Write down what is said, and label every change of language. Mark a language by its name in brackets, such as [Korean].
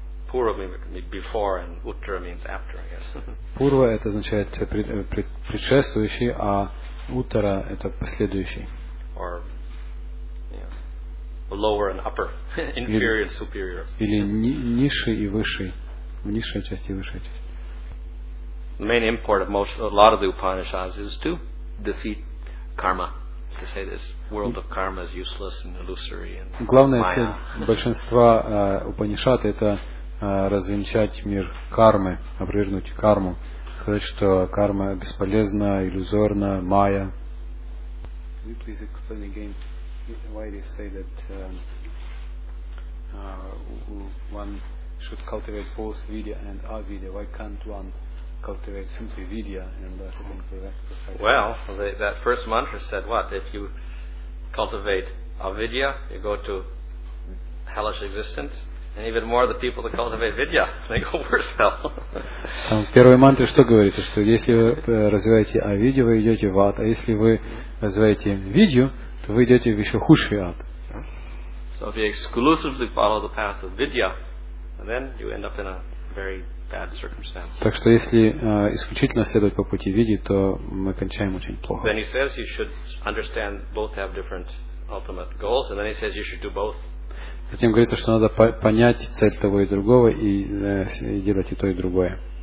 [English] Пурва — before, and Уттара means after, I guess. [Russian] Пурва — это означает предшествующий, а Уттара — это последующий. [English] Or lower and upper, inferior and superior. [Russian] Или низший и высший, низшая часть и высшая часть. [English] The main import of most, a lot of the Upanishads is to defeat karma. To say this world of karma is useless and illusory and. [Russian] Главная цель большинства Упанишад это развенчать мир кармы, опровергнуть карму, сказать, что карма бесполезна, иллюзорна, майя. [English] Can you please explain again? Why they say that one should cultivate both vidya and avidya? Why can't one cultivate simply vidya and thus attain perfection? Well, that first mantra said what? If you cultivate avidya, you go to hellish existence. And even more, the people that cultivate vidya, they go worse hell. [Russian] Там в первой мантре что говорится, что если вы развиваете авидью, вы идете в ад, а если вы развиваете видью, вы идете в еще худший ад. [English] So if you exclusively follow the path of vidya, then you end up in a very bad circumstance. [Russian] Так что если исключительно следовать по пути видьи, то мы кончаем очень плохо. [English] Then he says you should understand both have different ultimate goals, and then he says you should do both. [Russian] Затем говорится, что надо понять цель того и другого и делать и то и другое.